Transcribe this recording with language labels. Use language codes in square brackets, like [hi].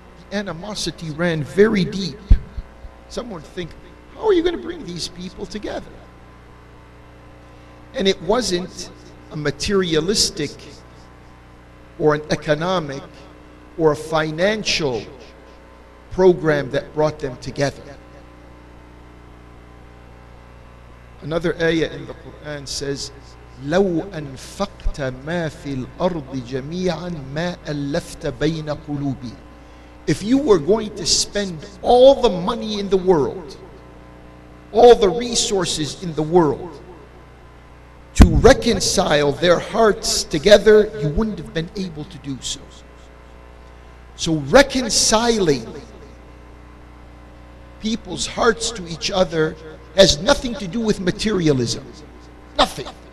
[en] The animosity ran very deep. Some would think, how are you going to bring these people together? And it wasn't a materialistic or an economic or a financial program that brought them together. Another ayah in the Quran says, [ar] لَوْ أَنْفَقْتَ مَا فِي الْأَرْضِ جَمِيعًا مَا أَلَّفْتَ بَيْنَ قُلُوبِ. [en] If you were going to spend all the money in the world, all the resources in the world, to reconcile their hearts together, you wouldn't have been able to do so. So reconciling people's hearts to each other has nothing to do with materialism. Nothing.